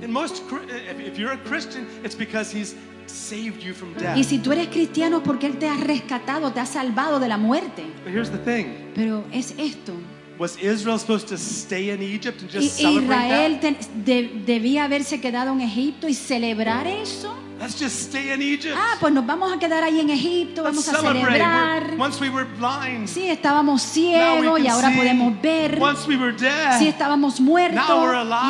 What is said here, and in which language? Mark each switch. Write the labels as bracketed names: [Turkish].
[English] And most, if you're a Christian, it's because he's saved you from death. [Spanish] Y si tú eres cristiano es porque él te ha rescatado, te ha salvado de la muerte. [English] But here's the thing. [Spanish] Pero es esto. [English] Was Israel supposed to stay in Egypt and just [Spanish] Israel [English] celebrate that? [Spanish] Israel debía haberse quedado en Egipto y celebrar eso. [English] Let's just stay in Egypt. [Spanish] Ah, pues nos vamos a quedar ahí en Egipto, vamos [English] Let's [Spanish] a celebrar. [English] Once we were blind. [Spanish] Sí, estábamos ciegos y ahora [English] see. [Spanish] Podemos ver. [English] Once we were dead. [Spanish] Sí, estábamos muertos [English] Now we're alive.